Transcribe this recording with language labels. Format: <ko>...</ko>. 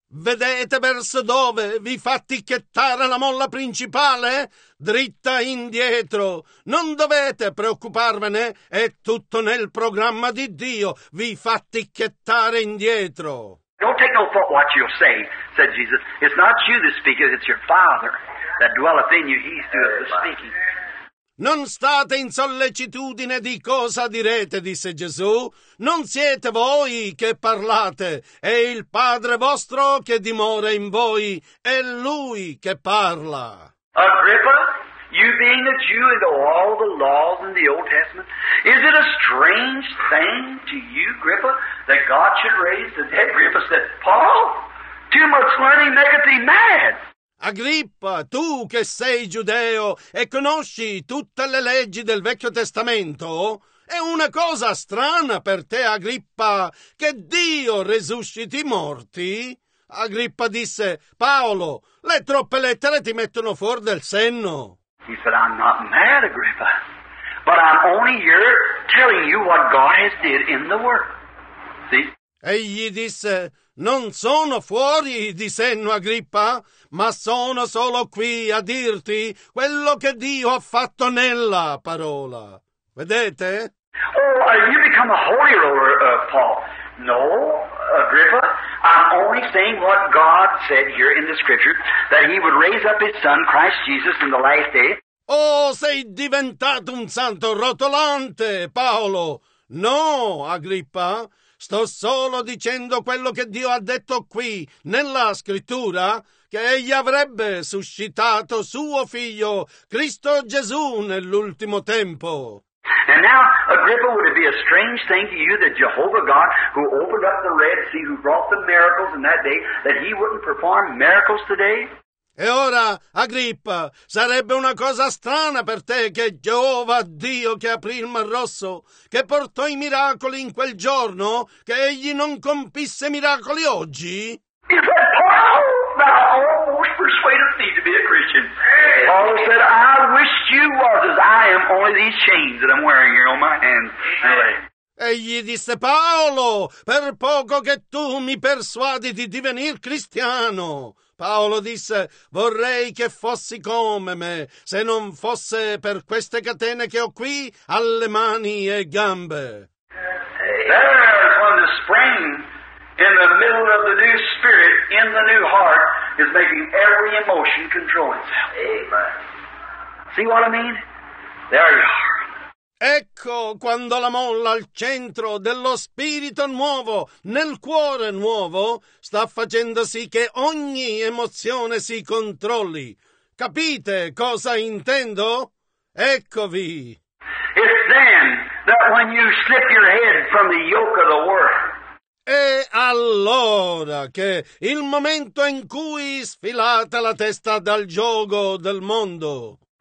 <it>Vedete verso dove vi fa ticchettare la molla principale? Dritta indietro. Non dovete preoccuparvene, è tutto nel programma di Dio. Vi fa ticchettare indietro.</it> <en>Don't take no thought what you'll say, said Jesus. It's not you that speaketh, it's your Father that dwelleth in you. He's doeth the speaking.</en> <it>Non state in sollecitudine di cosa direte, disse Gesù. Non siete voi che parlate, è il Padre vostro che dimora in voi, è Lui che parla.</it> <en>Agrippa, you being a Jew and know all the laws in the Old Testament, is it a strange thing to you, Agrippa, that God should raise the dead? Agrippa said, Paul, too much learning maketh thee mad.</en> <it>Agrippa, tu che sei giudeo e conosci tutte le leggi del Vecchio Testamento, è una cosa strana per te, Agrippa, che Dio resusciti i morti? Agrippa disse, Paolo, le troppe lettere ti mettono fuori del senno.</it> <en>He said, I'm not mad, Agrippa, but I'm only here telling you what God has did in the world. See?</en> <it>Egli disse, non sono fuori di senno, Agrippa, ma sono solo qui a dirti quello che Dio ha fatto nella parola. Vedete?</it> <en>Oh, you become a holy roller, Paul. No, Agrippa, I'm only saying what God said here in the scripture, that he would raise up his son, Christ Jesus, in the last day.</en> <it>Oh, sei diventato un santo rotolante, Paolo. No, Agrippa. Sto solo dicendo quello che Dio ha detto qui, nella scrittura, che egli avrebbe suscitato suo figlio, Cristo Gesù, nell'ultimo tempo.</it> <en>And now, Agrippa, would it be a strange thing to you that Jehovah God, who opened up the Red Sea, who brought the miracles in that day, that he wouldn't perform miracles today?</en> <it>E ora, Agrippa, sarebbe una cosa strana per te che Geova Dio che aprì il Mar Rosso, che portò i miracoli in quel giorno, che egli non compisse miracoli oggi?</it> <en>He said, Paul, thou almost persuaded me to be a Christian. Paul said, I wish you was as I am only these chains that I'm wearing here on my hands.</en> <it>Egli disse, Paolo, per poco che tu mi persuadi di divenir cristiano. Paolo disse, vorrei che fossi come me, se non fosse per queste catene che ho qui alle mani e gambe.</it> <en>There is when the spring in the middle of the new spirit in the new heart is making every emotion control itself. Amen. See what I mean? There you are.</en> <it>Ecco quando la molla al centro dello spirito nuovo, nel cuore nuovo, sta facendo sì che ogni emozione si controlli. Capite cosa intendo? Eccovi.</it> <en>It's then that when you slip your head from the yoke of the world.</en> <it>E allora che il momento in cui sfilate la testa dal giogo del mondo.</it>